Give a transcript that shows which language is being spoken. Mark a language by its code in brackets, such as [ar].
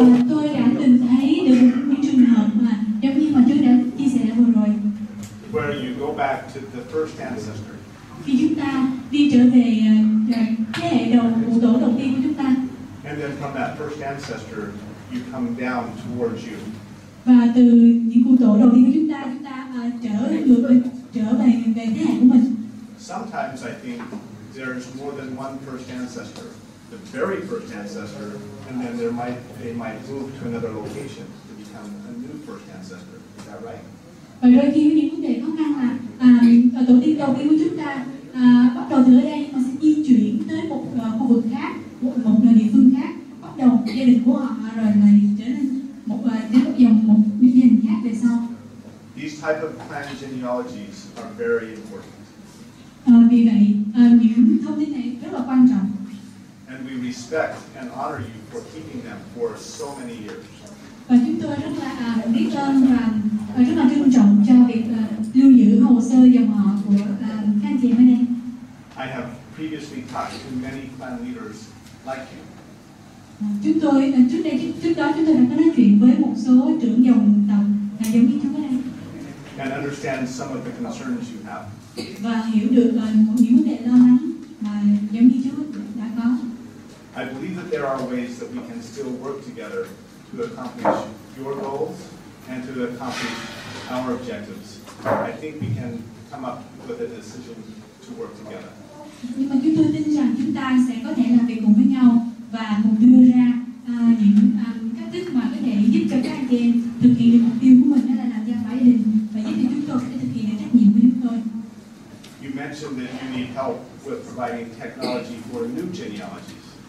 [vi] Tôi đã từng thấy được những trường hợp mà giống như mà chú đã chia sẻ vừa rồi. [en] Where you go back to the first ancestor. [vi] Khi chúng ta đi trở về thế hệ đầu cụ tổ đầu tiên của chúng ta. [en] And then from that first ancestor, you come down towards you. [vi] Và từ những cụ tổ đầu tiên của chúng ta trở về thế hệ của mình. [en] Sometimes I think there's more than one first ancestor. The very first ancestor, and then they might move to another location to become a new first ancestor. Is that right? [vi] Và đôi khi những vấn đề khó khăn là tổ tiên đầu tiên của chúng ta bắt đầu từ đây nhưng mà sẽ di chuyển tới một khu vực khác, một nơi địa phương khác, bắt đầu gia đình của họ rồi lại trở nên một gia đình khác về sau. [en] These type of clan genealogies are very important. [vi] Vì vậy những thông tin này rất là quan trọng. [en] And we respect and honor you for keeping them for so many years. [vi] Và chúng tôi rất là biết ơn và rất là trân trọng cho việc lưu giữ hồ sơ dòng họ của các anh chị mới đây. [en] I have previously talked to many clan leaders like you. [vi] Chúng tôi đã có nói chuyện với một số trưởng dòng tộc giống như chú mới đây. [en] And understand some of the concerns you have. [vi] Và hiểu được những vấn đề lo lắng mà giống như chú đã có. [en] I believe that there are ways that we can still work together to accomplish your goals and to accomplish our objectives. I think we can come up with a decision to work together. [vi] Nhưng mà chúng tôi tin rằng chúng ta sẽ có thể làm việc cùng với nhau và cùng đưa ra những cách thức mà có thể giúp cho các anh chị thực hiện được mục tiêu của mình, đó là làm gia phả gia đình và giúp cho chúng tôi có thể thực hiện được trách nhiệm của chúng tôi. [en] You mentioned that you need help with providing technology for new genealogies.